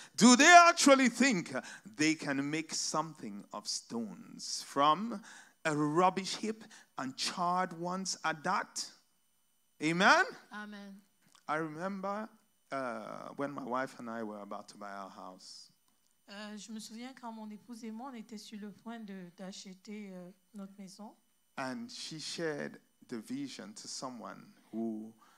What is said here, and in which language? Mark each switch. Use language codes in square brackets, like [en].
[en] Do they actually think they can make something of stones from a rubbish heap and charred ones at that? Amen? Amen. I remember when my wife and I were about to buy our house. [fr] Je me souviens quand mon épouse et moi, on était sur le point d'acheter notre maison. [en] And she shared the vision to someone who